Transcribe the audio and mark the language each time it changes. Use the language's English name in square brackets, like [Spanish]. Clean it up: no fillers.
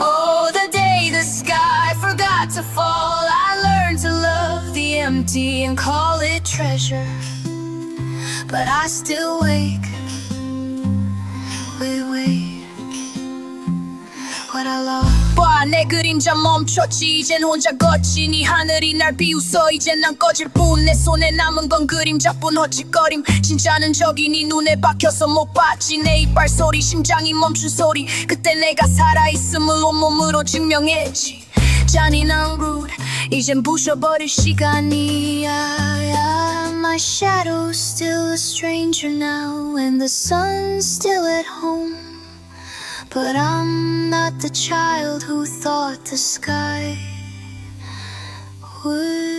[English] Oh, the day the sky forgot to fall, I learned to love the empty and call it treasure. But I still wake with weight what I lost. [Korean] 봐, 내 그림자 멈췄지 이젠 혼자 거친 이 하늘이 날 비웃어 이젠 난 꺼질 뿐 내 손에 남은 건 그림자뿐 헛짓거림 진짜는 저기 네 눈에 박혀서 못 봤지 내 이빨 소리 심장이 멈춘 소리 그때 내가 살아있음을 온몸으로 증명했지 잔인한 rude 이젠 부셔버릴 시간이야. [English] My shadow's still a stranger now and the sun's still at home. But I'm not the child who thought the sky would